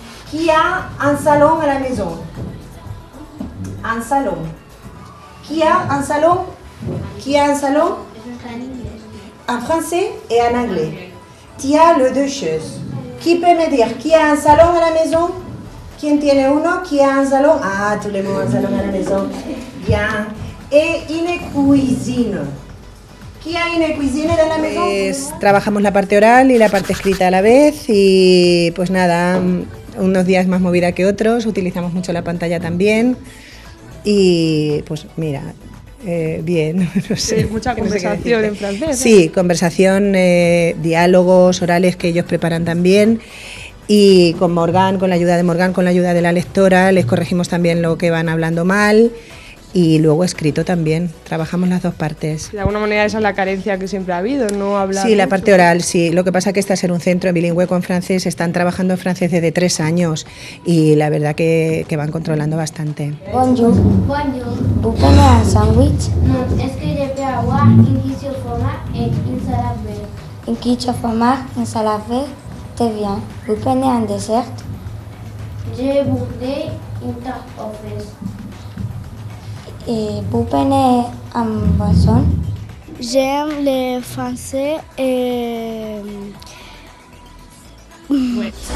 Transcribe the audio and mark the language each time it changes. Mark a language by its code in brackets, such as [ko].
[fr] Qui a un salon à la maison? Un salon. Qui a un salon? Qui a un salon? En français et en anglais. Tu as les deux choses. Qui peut me dire qui a un salon à la maison? Qui [es] en tiene uno? [fr] Qui a un salon? Ah, tout le monde a un salon à la maison. Bien. Et une cuisine. [es] ¿Y hay una cuisine de la mesa? Pues trabajamos la parte oral y la parte escrita a la vez y pues nada, unos días más movida que otros, utilizamos mucho la pantalla también y pues mira, bien, no sé. Mucha conversación en francés. Sí, conversación, diálogos orales que ellos preparan también y con Morgan, con la ayuda de la lectora, les corregimos también lo que van hablando mal. y luego escrito también. Trabajamos las dos partes. De alguna manera esa es la carencia que siempre ha habido, no hablar. Sí, mucho. La parte oral, sí. Lo que pasa es que este es un centro bilingüe con francés, están trabajando en francés desde 3 años y la verdad que van controlando bastante. [fr] Bonjour. Bonjour. [es] ¿Vos comés un sándwich? No, es que yo quiero agua, quiero fromage y ensalada verde. Quiero fromage, ensalada verde. [fr] Très bien. [es] ¿Vos comés un dessert? [fr] Je voudrais une tarte aux fraises. Et vous prenez un boisson? J'aime le français et... Oui.